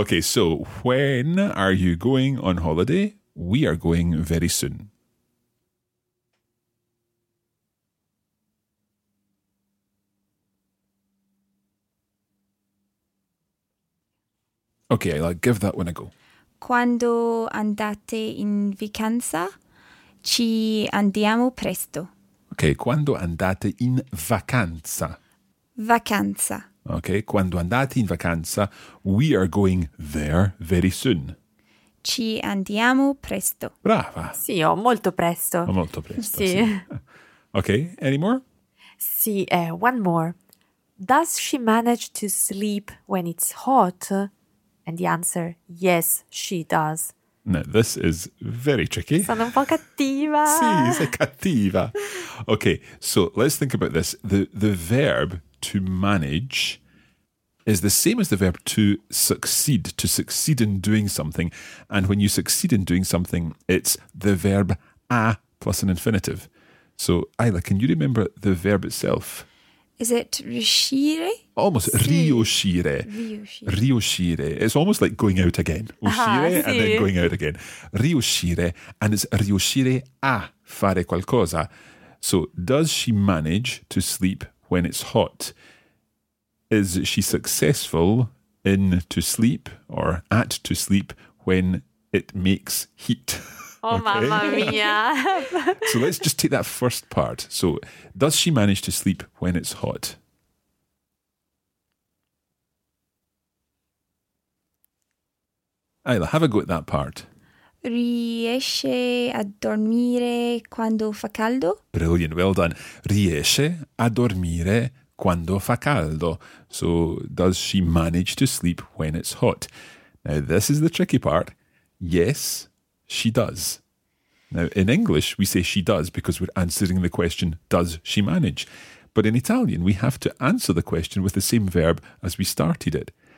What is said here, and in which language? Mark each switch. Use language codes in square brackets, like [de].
[en] Okay, so when are you going on holiday? We are going very soon. Okay, I'll give that one a go. [it] Quando andate in vacanza, ci andiamo presto. Okay, quando andate in vacanza. Vacanza. [en] Okay, [it] quando andate in vacanza, [en] we are going there very soon. [it] Ci andiamo presto. Brava. Sì, ho molto presto. Ho molto presto, sì. [en] Okay, any more? Sì, one more. Does she manage to sleep when it's hot? And the answer, yes, she does. Now, this is very tricky. [it] Sono un po' cattiva. Sì, sei cattiva. [en] Okay, so let's think about this. The verb to manage is the same as the verb to succeed in doing something. And when you succeed in doing something, it's the verb a plus an infinitive. So, Ayla, can you remember the verb itself? Is it riuscire? Almost, sì. Riuscire. [it] Riuscire. [en] It's almost like going out again. Uscire and then going out again. [it] Riuscire, [en] and it's [it] riuscire a fare qualcosa. [en] So, does she manage to sleep when it's hot? Is she successful in to sleep or at to sleep when it makes heat? Okay. Oh, mamma mia. So let's just take that first part. So does she manage to sleep when it's hot? Ayla, have a go at that part. [it] Riesce a dormire quando fa caldo? [en] Brilliant, well done. [it] Riesce a dormire quando fa caldo. [en] So does she manage to sleep when it's hot? Now, this is the tricky part. Yes, she does. Now, in English, we say she does because we're answering the question, does she manage? But in Italian, we have to answer the question with the same verb as we started it.